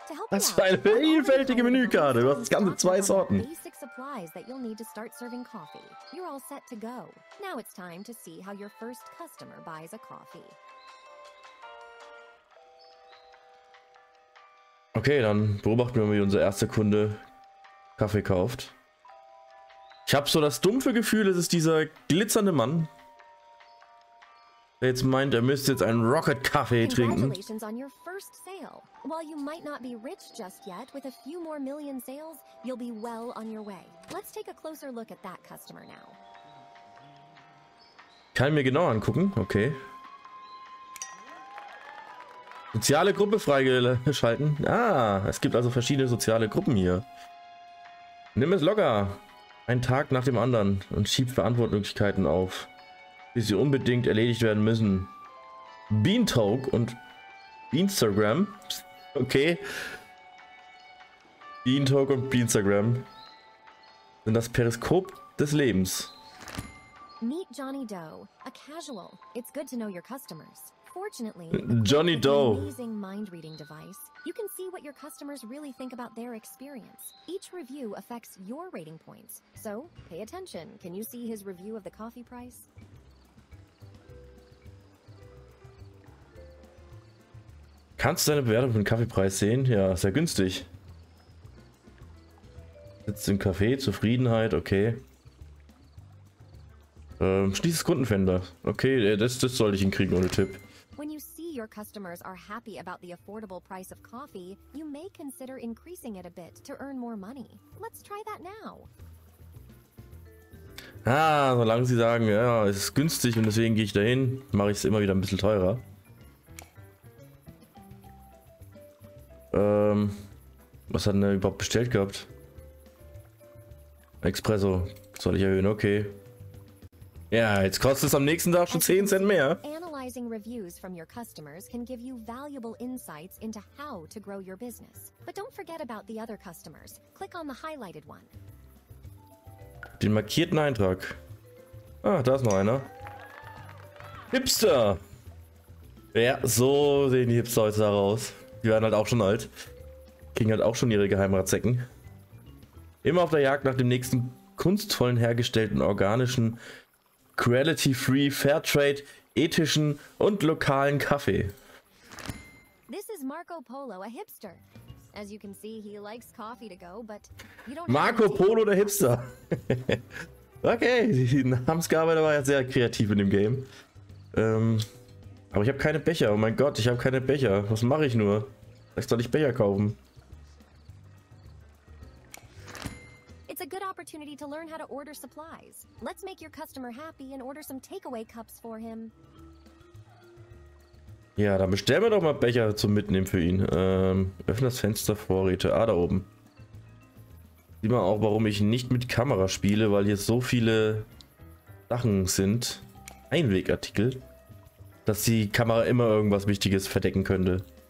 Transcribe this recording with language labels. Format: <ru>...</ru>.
<de>Was für eine vielfältige Menükarte. Du hast das ganze zwei Sorten.</de> <en>Supplies that you'll need to start serving coffee. You're all set to go. Now it's time to see how your first customer buys a coffee.</en> <de>Okay, dann beobachten wir mal, wie unser erster Kunde Kaffee kauft. Ich habe so das dumpfe Gefühl, es ist dieser glitzernde Mann, der jetzt meint, er müsste jetzt einen Rocket-Kaffee trinken.</de> <en>Congratulations on your first sale. While you might not be rich just yet, with a few more million sales, you'll be well on your way. Let's take a closer look at that customer now.</en> <de>Kann ich mir genau angucken, okay. Soziale Gruppe freigeschalten. Ah, es gibt also verschiedene soziale Gruppen hier. Nimm es locker. Ein Tag nach dem anderen und schieb Verantwortlichkeiten auf, bis sie unbedingt erledigt werden müssen. Beantalk und Beanstagram. Okay. Beantalk und Beanstagram sind das Periskop des Lebens.</de> <en>Meet Johnny Doe, a casual. It's good to know your customers. Fortunately, Johnny Doe. Using mind reading device, you can see what your customers really think about their experience. Each review affects your rating points. So, pay attention. Can you see his review of the coffee price?</en> <de>Kannst du deine Bewertung von Kaffeepreis sehen? Ja, sehr günstig. Sitzt im Café, Zufriedenheit, okay. Schließ das Kundenfenster. Okay, das sollte ich hinkriegen ohne Tipp.</de> <en>When you see your customers are happy about the affordable price of coffee, you may consider increasing it a bit to earn more money. Let's try that now.</en> <de>Ah, solange sie sagen, ja, es ist günstig und deswegen gehe ich dahin, mache ich es immer wieder ein bisschen teurer. Was hat denn der überhaupt bestellt gehabt? Espresso. Soll ich erhöhen? Okay. Ja, jetzt kostet es am nächsten Tag schon 10 Cent mehr.</de> <en>Analyzing reviews from your customers can give you valuable insights into how to grow your business. But don't forget about the other customers. Click on the highlighted one.</en> <de>Den markierten Eintrag. Ah, da ist noch einer. Hipster! Ja, so sehen die Hipster heute aus. Die waren halt auch schon alt. Kriegen halt auch schon ihre Geheimratzecken. Immer auf der Jagd nach dem nächsten kunstvollen hergestellten organischen, quality-free, Fairtrade, ethischen und lokalen Kaffee.</de> <en>This is Marco Polo, a hipster. As you can see, he likes coffee to go, but you don't</en> <de>Marco Polo der Hipster. Okay, die Namensgabe war ja sehr kreativ in dem Game. Aber ich habe keine Becher. Oh mein Gott, ich habe keine Becher. Was mache ich nur? Vielleicht soll ich Becher kaufen.</de> <en>It's a good opportunity to learn how to order supplies. Let's make your customer happy and order some takeaway cups for him.</en> <de>Ja, dann bestellen wir doch mal Becher zum Mitnehmen für ihn. Öffne das Fenster, Vorräte. Ah, da oben. Sieht man auch, warum ich nicht mit Kamera spiele, weil hier so viele Sachen sind. Einwegartikel. Dass die Kamera immer irgendwas Wichtiges verdecken könnte.</de>